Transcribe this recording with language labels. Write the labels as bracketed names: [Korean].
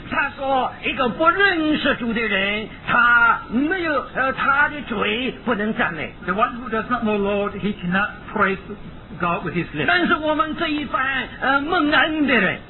[Chinese] 他说一个不认识主的人，他没有他的嘴不能赞美。 [English] The one who does not know Lord, he cannot praise God with his lips. [Chinese] 但是我们这一般蒙恩的人。